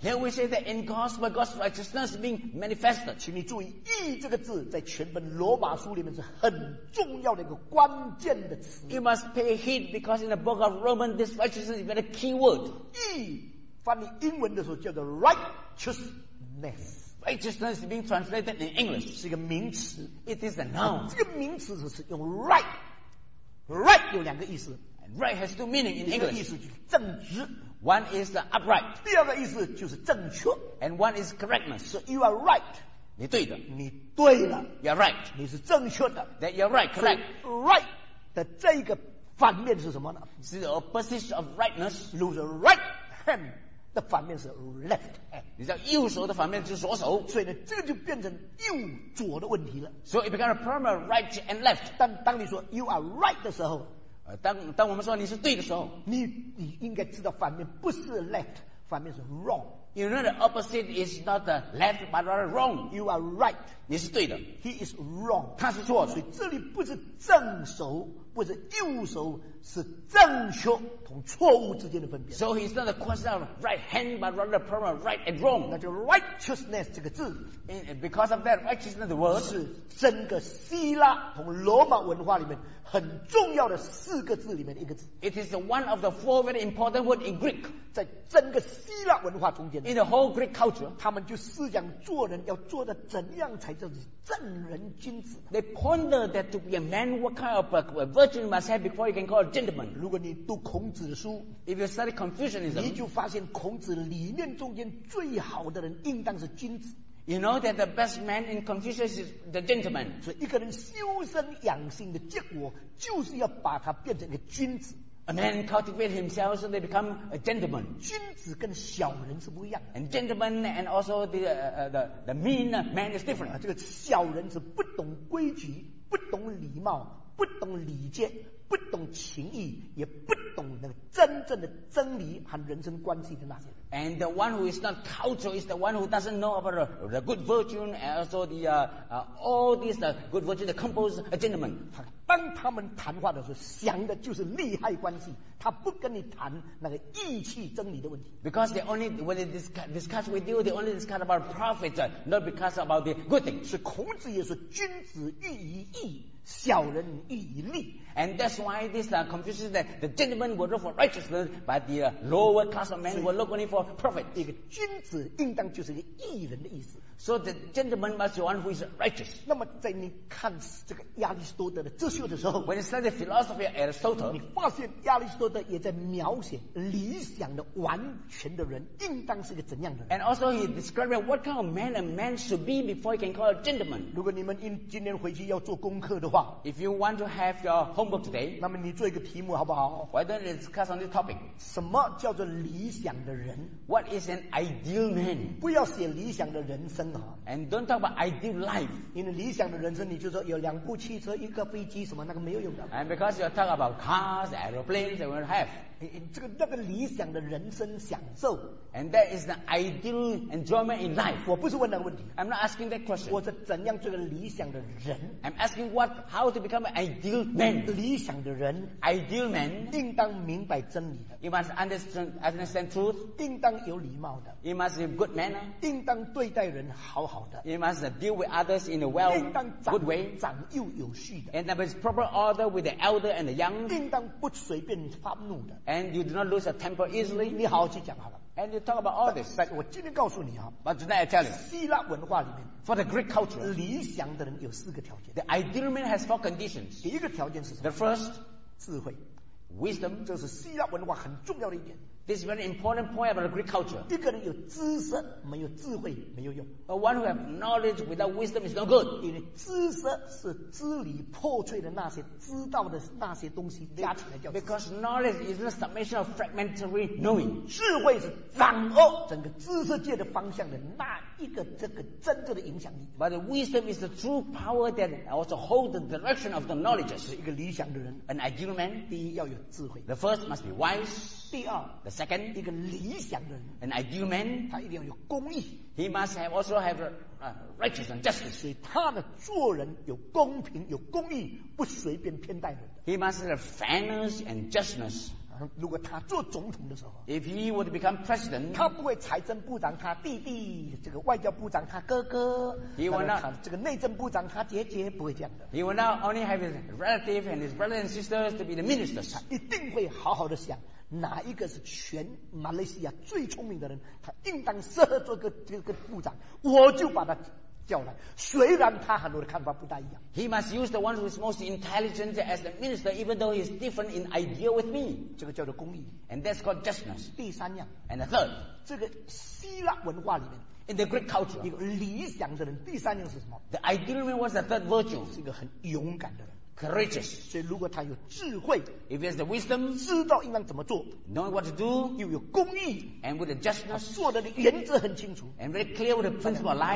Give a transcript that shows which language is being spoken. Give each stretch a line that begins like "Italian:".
English: here we say that in gospel God's righteousness being manifested.
Chinese: 请你注意义这个字在全本罗马书里面是很重要的一个关键的词,
English: you must pay heed, because in the book of Romans this righteousness is a key word.
Chinese: 义翻译英文的时候叫做 righteousness.
English: Righteousness is being translated in English.
Chinese: 是一个名词,
English: it is a noun.
Chinese: 这个名词是用 right. Right 有两个意思,
English: and right has two meanings in English.
Chinese: 一个意思就是正直,
English: one is the upright.
Chinese: 第二个意思就是正确,
English: and one is correctness. So you are right.
Chinese: 你对的, 你对了,
English: you are right.
Chinese: 你是正确的,
English: that you are right, correct. So right
Chinese: 的这个反面是什么呢？
English: The opposite of rightness.
Chinese: 如果是 right hand 的反面是 left hand. 你知道右手的反面就是左手。所以呢，这个就变成右左的问题了。
English: So it becomes a problem of right and left.
Chinese: 但当你说
English: you are right
Chinese: 的时候，当我们说你是对的时候，你应该知道反面不是 left， 反面是 wrong。
English: You know the opposite is not the left but rather wrong. You are right.
Chinese: 你是对的。
English: He is wrong.
Chinese: 他是错的。所以这里不是正手，不是右手，是正确同错误之间的分别。
English: So it's not a question of right hand but rather the problem of right and wrong.
Chinese: 那就 righteousness 这个字。
English: And because of that righteousness, the word
Chinese: 是整个希腊同罗马文化里面很重要的四个字里面一个字。
English: It is one of the four very important words in Greek.
Chinese: 在整个希腊文化中。
English: In the whole Greek culture,
Chinese: 他们就思想做人要做得怎样才叫做正人君子。
English: They ponder that to be a man, what kind of a virtue must have before you can call a gentleman.
Chinese: 如果你读孔子的书
English: ，If you study Confucianism,
Chinese: 你就发现孔子理念中间最好的人应当是君子。
English: You know that the best man in Confucius is the gentleman.
Chinese: 所以一个人修身养性的结果，就是要把他变成一个君子。
English: A man cultivate himself so they become a gentleman.
Chinese: 君子跟小人是不一样的。
English: And gentleman and also the mean man is different.
Chinese: 这个小人是不懂规矩，不懂礼貌，不懂礼节，不懂情义，也不懂那个真正的真理和人生关系的那些人。
English: And the one who is not cultured is the one who doesn't know about the good virtue and also the all these good virtue that compose a gentleman.
Chinese: 当他们谈话的时候，想的就是利害关系，他不跟你谈那个义气真理的问题。
English: Because they only when they discuss with you, they only discuss about profit, not because about the good thing.
Chinese: 是孔子也说，君子喻于义。小人欲以利
English: and that's why this confuses that the gentleman will look for righteousness, but the lower class of men will look only for profit.
Chinese: 一个君子应当就是一个义人的意思。
English: So the gentleman must be one who is righteous.
Chinese: 那么在你看这个亚里士多德的哲学的时候
English: ，when you study philosophy of Aristotle,
Chinese: 你发现亚里士多德也在描写理想的完全的人应当是个怎样的人。
English: And also he described what kind of man a man should be before he can call a gentleman.
Chinese: 如果你们今天回去要做功课的。
English: If you want to have your homework today,
Chinese: 那么你做一个题目好不好？
English: Why don't you discuss on this topic?
Chinese: 什么叫做理想的人？
English: What is an ideal man?
Chinese: 不要写理想的人生啊。
English: And don't talk about ideal life.
Chinese: 因为理想的人生，你就说有两部汽车，一个飞机，什么那个没有用的。
English: And because you talk about cars, aeroplanes, they won't have.
Chinese: 这个那个理想的人生享受。
English: And that is the ideal enjoyment in life.
Chinese: 我不是问那个问题。
English: I'm not asking that question.
Chinese: 我是怎样做个理想的人？
English: I'm asking what. How to become an ideal man?
Chinese: 理想的人
English: ideal man
Chinese: 应当明白真理的。
English: You must understand truth.
Chinese: 应当有礼貌的。
English: You must be good manner.
Chinese: 应当对待人好好的。
English: You must deal with others in a well good way.
Chinese: 长幼有序的。
English: And there is proper order with the elder and the young.
Chinese: 应当不随便发怒的。
English: And you do not lose your temper easily.
Chinese: 你好好去讲好了。
English: And you talk about all this. But
Chinese: 我今天告诉你啊。
English: But tonight I tell you.
Chinese: 希腊文化里面。
English: For the Greek culture.
Chinese: 理想的人有四个条件。
English: The ideal man has four conditions.
Chinese: 第一个条件是什么？
English: The first.
Chinese: 智慧。
English: Wisdom.
Chinese: 这是希腊文化很重要的一点。
English: This is a very important point about the Greek culture.
Chinese: 一个人有知识，没有智慧，没有用。
English: A one who have knowledge without wisdom is no good.
Chinese: 因为知识是支离破碎的那些知道的那些东西加起来叫。
English: Because knowledge is the summation of fragmentary knowing.
Chinese: 智慧是掌握整个知识界的方向的那一个这个真正的影响力。
English: But the wisdom is the true power that also holds the direction of the knowledge.
Chinese: 是一个理想的人。
English: An ideal man.
Chinese: 第一要有智慧。
English: The first must be wise.
Chinese: 第二。
English: The second,
Chinese: 一个理想的人
English: an ideal man,
Chinese: 他一定要有公义
English: he must have also have righteous and justice.
Chinese: 所以他的做人有公平有公义不随便偏待人
English: he must have fairness and justness.
Chinese: 如果他做总统的时候
English: if he would become president,
Chinese: 他不会财政部长他弟弟这个外交部长他哥哥
English: he will not,
Chinese: 这个内政部长他姐姐不会这样的
English: he will not only have his relative and his brothers and sisters to be the ministers.
Chinese: 他一定会好好的想哪一个是全马来西亚最聪明的人他应当适合做个这个部长我就把他叫来虽然他和我的看法不大一样
English: He must use the one who is most intelligent as the minister even though he is different in idea with me
Chinese: 这个叫做公义
English: And that's called justness
Chinese: 第三样
English: And the third
Chinese: 这个希腊文化里面
English: In the Greek culture
Chinese: 一个理想的人第三样是什么
English: The ideal man was the third virtue
Chinese: 是一个很勇敢的人
English: courageous.
Chinese: 所以如果他有智慧,
English: if he has the wisdom,
Chinese: 知道应当怎么做,
English: knowing what to do,
Chinese: 又有公义,
English: and with the justness,
Chinese: 他做的原则很清楚,
English: and very clear with the principle of life,